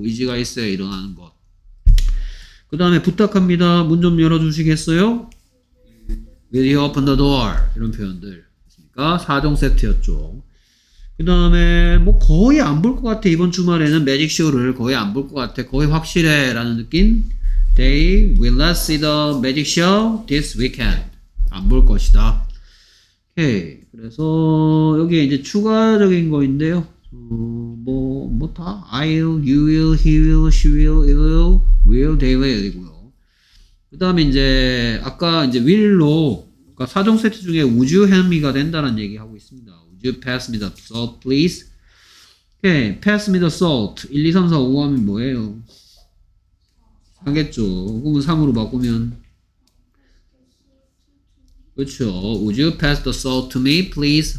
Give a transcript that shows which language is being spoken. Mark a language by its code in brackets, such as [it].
[ko] 의지가 있어야 일어나는 것. 그 다음에 부탁합니다. 문 좀 열어주시겠어요? [en] Will you open the door? [ko] 이런 표현들. 그러니까 4종 세트였죠. 그 다음에 뭐 거의 안 볼 것 같아. 이번 주말에는 매직쇼를 거의 안 볼 것 같아. 거의 확실해. 라는 느낌. [en] They will not see the magic show this weekend. [ko] 안 볼 것이다. 오케이. 그래서 여기에 이제 추가적인 거인데요. 뭐 다 [en] I'll, you will, he will, she will, it will they will [ko] 이고요. 그 다음에 이제 아까 이제 will로 그러니까 4종 세트 중에 [en] would you help me [ko] 가 된다는 얘기하고 있습니다. [en] Would you pass me the salt please? Okay, pass me the salt. [ko] 1, 2, 3, 4, 5 하면 뭐예요? 하겠죠. 그러면 3으로 바꾸면 그렇죠. [en] Would you pass the salt to me, please?